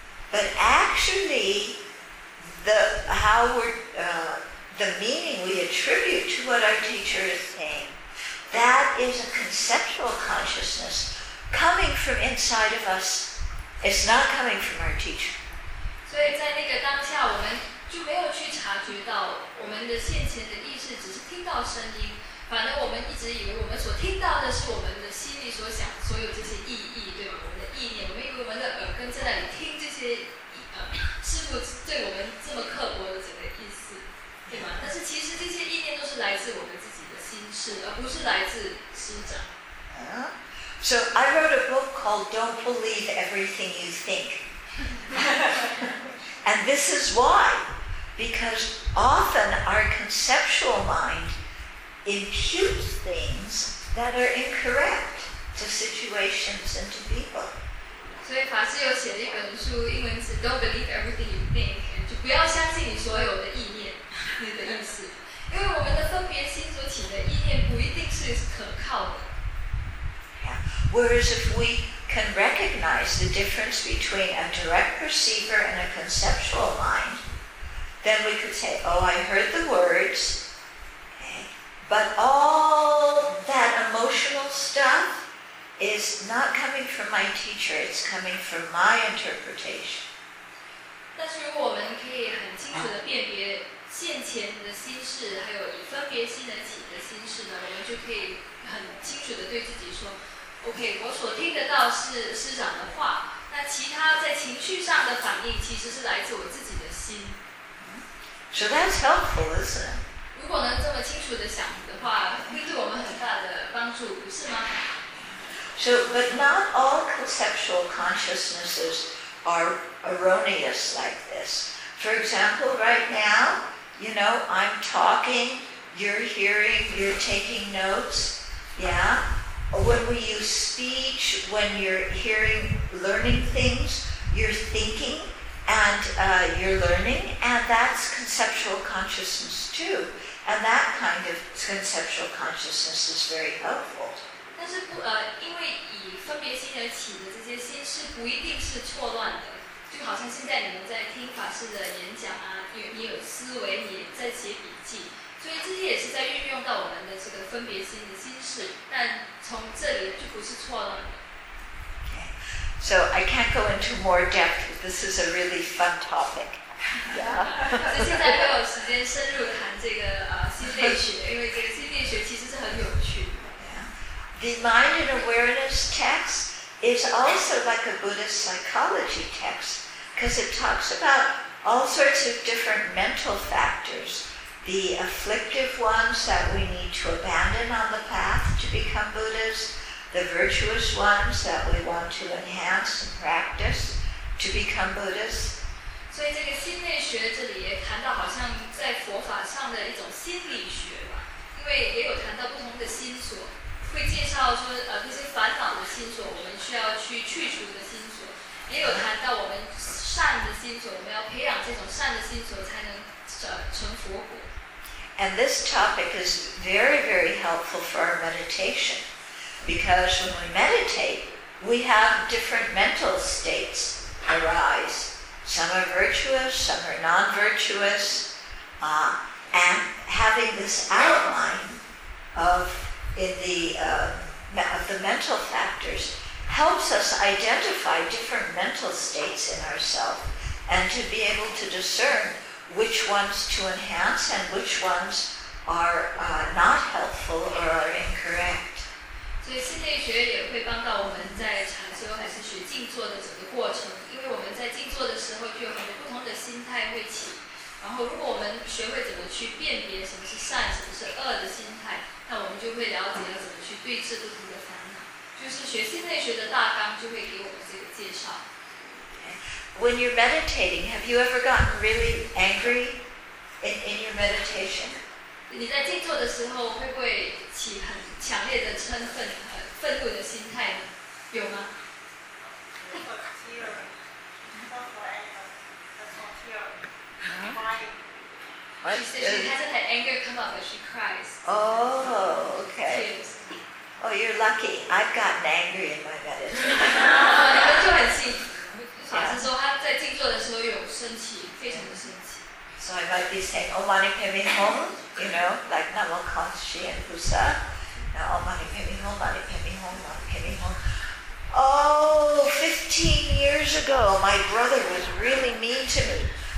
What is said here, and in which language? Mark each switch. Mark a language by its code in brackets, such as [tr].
[en] But actually, the meaning we attribute to what our teacher is saying, that is a conceptual consciousness coming from inside of us. It's not coming from our teacher. [zh] 所以在那个当下，我们就没有去察觉到我们的现前的意识只是听到声音，反而我们一直以为我们所听到的是我们的心里所想所有这些意义，对吗？我们的意念，我们以为我们的耳根在那里听这些，师父对我们这么刻薄的整个意思，对吗？但是其实这些意念都是来自我们自己的心事，而不是来自师长。 [en] So I wrote a book called Don't Believe Everything You Think. And this is why, because often our conceptual mind imputes things that are incorrect to situations and to people. [zh] 所以法师有写了一本书，英文是 Don't Believe Everything You Think， 就不要相信你所有的意念，你的意思，因为我们的分别心所起的意念不一定是可靠的。 [en] Whereas if we can recognize the difference between a direct perceiver and a conceptual mind, then we could say, oh, I heard the words, okay, but all that emotional stuff is not coming from my teacher, it's coming from my interpretation. [zh] 但是如果我们可以很清楚地辨别现前的心事，还有以分别心而起的心事呢，我们就可以很清楚地对自己说，OK， 我所听得到是师长的话，那其他在情绪上的反应其实是来自我自己的心。 [en] So that's helpful, isn't it? [zh] 如果能这么清楚地想的话，会对我们很大的帮助，不是吗？ [en] So, but not all conceptual consciousnesses are erroneous like this. For example, right now, you know, I'm talking, you're hearing, you're taking notes, yeah? When we use speech, when you're hearing, learning things, you're thinking and you're learning, and that's conceptual consciousness too. And that kind of conceptual consciousness is very helpful. [zh] 但是不因为以分别心而起的这些心事不一定是错乱的，就好像现在你们在听法师的演讲啊，你有思维，你在写笔记。所以这些也是在运用到我们的这个分别心的心事，但从这里就不是错了。 [en] Okay. So I can't go into more depth. This is a really fun topic. Yeah. [zh] 所以现在没有时间深入谈这个心理学，因为这个心理学其实是很有趣的。 [en] Yeah. The mind and awareness text is also like a Buddhist psychology text because it talks about all sorts of different mental factors. The afflictive ones that we need to abandon on the path to become Buddhas, the virtuous ones that we want to enhance and practice to become Buddhas. [zh] 所以这个心内学这里也谈到好像在佛法上的一种心理学吧，因为也有谈到不同的心所，会介绍说那些烦恼的心所，我们需要去去除的心所，也有谈到我们善的心所，我们要培养这种善的心所才能成佛果。 [en] And this topic is very, very helpful for our meditation because when we meditate, we have different mental states arise. Some are virtuous, some are non-virtuous. And having this outline of the mental factors helps us identify different mental states in ourselves and to be able to discern. Which ones to enhance and which ones are not helpful or are incorrect. [zh] 所以心理学也会帮到我们在禅修还是学静坐的整个过程，因为我们在静坐的时候就有很多不同的心态会起。然后，如果我们学会怎么去辨别什么是善、什么是恶的心态，那我们就会了解要怎么去对治不同的烦恼。就是学心理学的大纲就会给我们这个介绍。 [en] When you're meditating, have you ever gotten really angry in your meditation? [zh] 你在静坐的时候会不会起很强烈的嗔恨、愤怒的心态呢？有吗？ [en] What? She hasn't had anger come up, but she cries. Oh, okay. Oh, you're lucky. I've gotten angry in my meditation. [zh] 就很幸福。法师说他在静坐的时候有生气，非常的生气。So [en] I might be saying, "Om Mani Padme Hum," you know, like Namo Kanchi and Pusa. Now, Om Mani Padme Hum, Mani Padme Hum, Mani Padme Hum. Oh, 15 years ago, my brother was really mean to me.